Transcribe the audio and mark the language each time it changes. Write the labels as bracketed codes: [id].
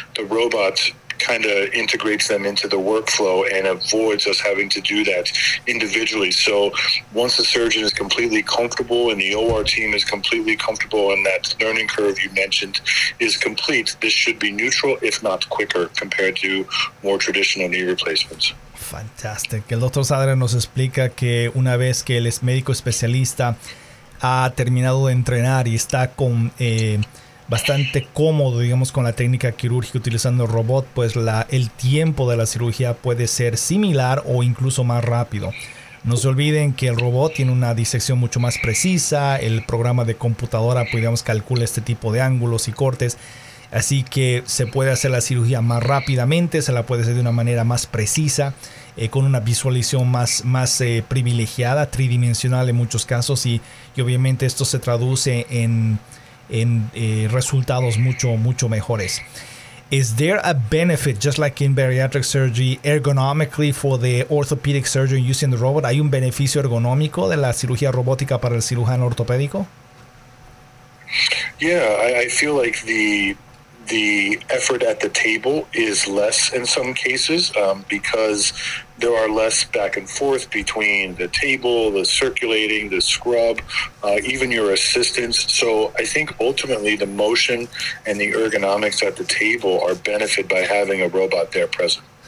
[en] The robot kind of integrates them into the workflow and avoids us having to do that individually. So once the surgeon is completely comfortable and the OR team is completely comfortable and that learning curve you mentioned is complete, this should be neutral, if not quicker, compared to more traditional knee replacements. Fantastic. [es] El doctor Sadler nos explica que una vez que el médico especialista ha terminado de entrenar y está con bastante cómodo, digamos, con la técnica quirúrgica utilizando el robot, pues el tiempo de la cirugía puede ser similar o incluso más rápido. No se olviden que el robot tiene una disección mucho más precisa, el programa de computadora, digamos, calcula este tipo de ángulos y cortes. Así que se puede hacer la cirugía más rápidamente, se la puede hacer de una manera más precisa, con una visualización más privilegiada, tridimensional en muchos casos, y obviamente esto se traduce en resultados mucho, mucho mejores. [en] Is there a benefit, just like in bariatric surgery, ergonomically for the orthopedic surgeon using the robot? [es] ¿Hay un beneficio ergonómico de la cirugía robótica para el cirujano ortopédico? [en] Yeah, I feel like the effort at the table is less in some cases, because there are less back and forth between the table, the circulating, the scrub, even your assistants. So I think ultimately the motion and the ergonomics at the table are benefited by having a robot there present.